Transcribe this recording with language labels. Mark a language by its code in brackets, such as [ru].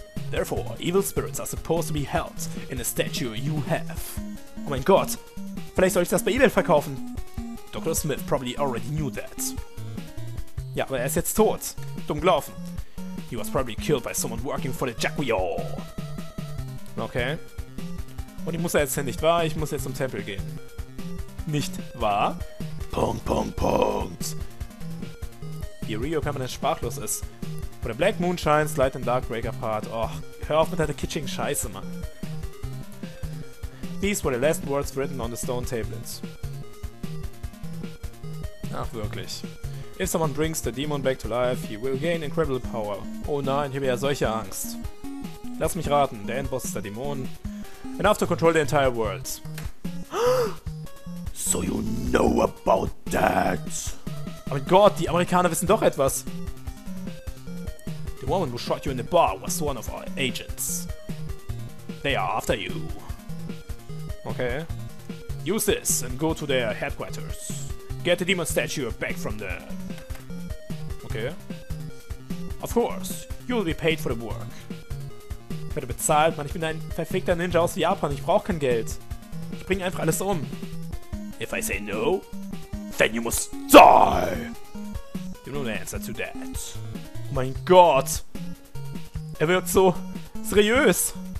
[en] Therefore, evil spirits are supposed to be held in the statue you have. [de] Oh mein Gott! Vielleicht soll ich das bei eBay verkaufen! Dr. [en] Smith probably already knew that. [de] Ja, aber er ist jetzt tot. Dumm gelaufen. [en] He was probably killed by someone working for the Jaquio. Okay. [de] Und ich muss jetzt hin, nicht wahr? Ich muss jetzt zum Tempel gehen. Nicht wahr? Punkt, Punkt, Punkt. Wie Ryo permanent sprachlos ist. [en] For the black moon shines, light and dark break apart. [de] Oh, hör auf mit deiner kitschigen Scheiße, Mann. [en] These were the last words written on the stone tablets. [de] Ach, wirklich. [en] If someone brings the demon back to life, he will gain incredible power. [de] Oh nein, ich habe ja solche Angst. Lass mich raten, der Endboss ist der Dämon. [en] Enough to control the entire world. So you know about that. [de] Oh mein Gott, die Amerikaner wissen doch etwas. [en] The woman who shot you in the bar was one of our agents. They are after you. Okay. Use this and go to their headquarters. Get the demon statue back from there. Okay. Of course, you will be paid for the work. [de] Ich werde bezahlt, Mann. Ich bin ein verfickter Ninja aus Japan. Ich brauche kein Geld. Ich bringe einfach alles um. [en] If I say no, then you must die. You know the answer to that. [de] Oh mein Gott. Er wirkt so seriös.